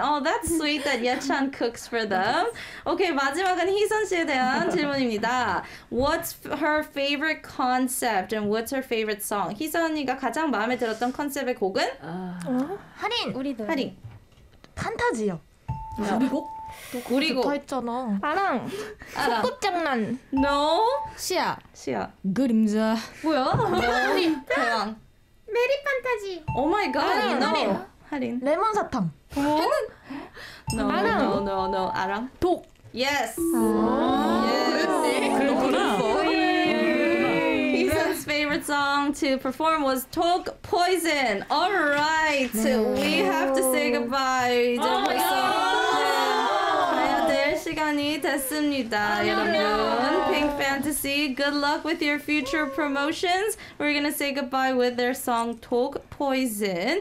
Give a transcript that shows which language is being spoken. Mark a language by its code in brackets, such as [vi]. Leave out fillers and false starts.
[en] Oh, that's sweet that Yechan cooks for them. [ko] Okay, 마지막은 희선 씨에 대한 질문입니다. [en] What's her favorite concept and what's her favorite song? [ko] 희선 언니가 가장 마음에 들었던 컨셉의 곡은? 할인. 우리도. 할인. 판타지요. 우리도? 우리도 했잖아. 아랑. 아랑. 소꿉장난. [en] No. [ko] 시아. 시아. 그림자. 뭐야? 할인. 대왕. 메리 판타지. [en] 오 마이 갓. [ko] 할인. 할인. 레몬 사탕. [en] 어? 나 no, no, no, no. 아랑. [ko] 독. [en] 예스. 예스. [ko] 그렇구나. [en] 이선's favorite song to perform was 독 Poison. All right. We have to say goodbye. [ko] 가야 될 시간이 됐습니다. 여러분. [en] Pink Fantasy, good luck with your future promotions. We're gonna say goodbye with their song 독 Poison.